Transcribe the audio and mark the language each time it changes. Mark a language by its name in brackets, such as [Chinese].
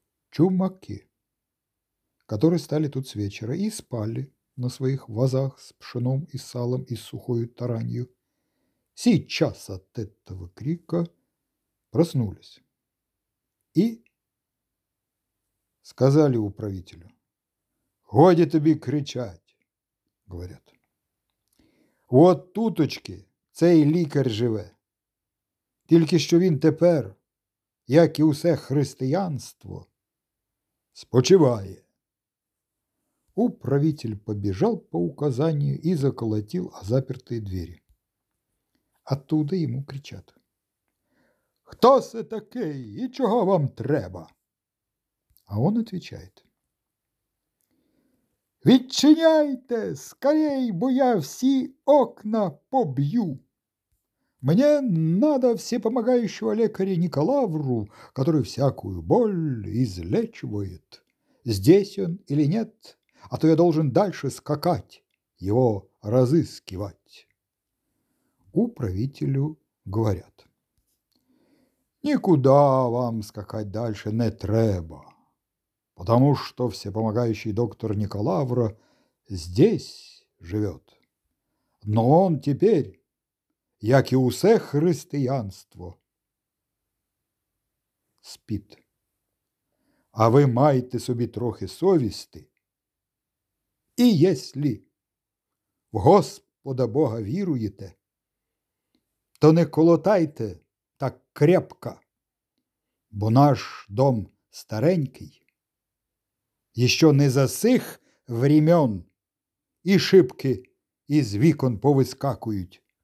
[Russian] Чумаки, которые стали тут с вечера и спали на своих вазах с пшеном и салом и сухою таранью, сейчас от этого крика проснулись и сказали управителю: «Ходи тебе кричать!» – говорят. [Ukrainian] «Вот туточки цей лікар живе! Тільки що він тепер, як і усе християнство, спочиває!» [Russian] Управитель побежал по указанию и заколотил о запертые двери. Оттуда ему кричат: [Ukrainian] «Хто се такий і чого вам треба?» [Russian] А он отвечает: [Ukrainian] «Відчиняйте скорей, бо я всі окна поб'ю! [Russian] Мне надо всепомогающего лекаря Николавру, который всякую боль излечивает. Здесь он или нет, а то я должен дальше скакать, его разыскивать». Управителю говорят: «Никуда вам скакать дальше не треба, потому что всепомогающий доктор Николавра здесь живет. Но он теперь... [Ukrainian] як і усе християнство, спит. А ви маєте собі трохи совісти, і єслі в Господа Бога віруєте, то не колотайте так крепко, бо наш дом старенький, іще не за сих времен, і шибки із вікон повискакують.